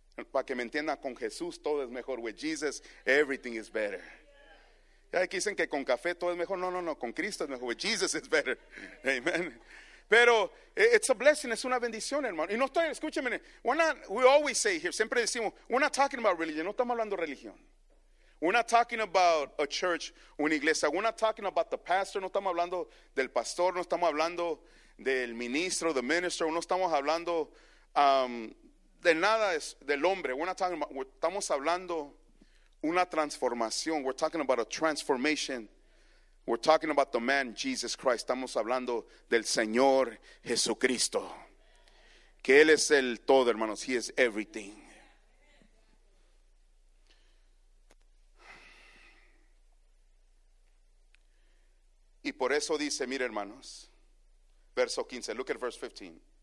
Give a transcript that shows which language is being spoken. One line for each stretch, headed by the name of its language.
Spanish: Para que me entienda, con Jesús todo es mejor.
English: With Jesus, everything is better.
Spanish: Ya que dicen que con café todo es mejor. No, con Cristo es mejor.
English: With Jesus is better.
Spanish: Amen. Pero
English: it's a blessing,
Spanish: es una bendición, hermano. Y no estoy, escúcheme,
English: we always say here,
Spanish: siempre decimos,
English: we're not talking about religion,
Spanish: no estamos hablando de religión.
English: We're not talking about a church,
Spanish: una iglesia.
English: We're not talking about the pastor,
Spanish: no estamos hablando del pastor, no estamos hablando del ministro,
English: the minister,
Spanish: no estamos hablando de nada del hombre.
English: We're not talking about,
Spanish: estamos hablando una transformación.
English: We're talking about a transformation. We're talking about the man, Jesus Christ.
Spanish: Estamos hablando del Señor Jesucristo. Que Él es el todo, hermanos.
English: He is everything.
Spanish: Y por eso dice, mire, hermanos, verso 15.
English: Look at verse 15.